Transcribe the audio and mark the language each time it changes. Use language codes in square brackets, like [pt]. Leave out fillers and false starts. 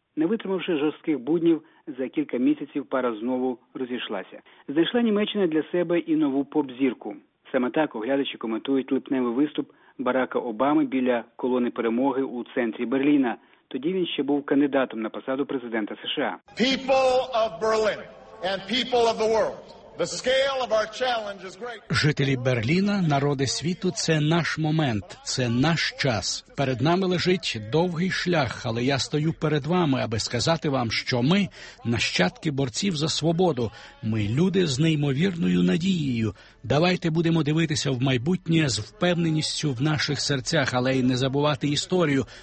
[uk] Не витримавши жорстких буднів, за кілька місяців пара знову розійшлася. Знайшла Німеччина для себе і нову поп-зірку. Саме так оглядачі коментують липневий виступ Барака Обами біля колони перемоги у центрі Берліна. Тоді він ще був кандидатом на посаду президента США. [en] People of Berlin and people of the world. The scale of our challenge is great. [uk] Жителі Берліна, народи світу, це наш момент, це наш час. Перед нами лежить довгий шлях, але я стою перед вами, аби сказати вам, що ми – нащадки борців за свободу. Ми – люди з неймовірною надією. Давайте будемо дивитися в майбутнє з впевненістю в наших серцях, але й не забувати історію.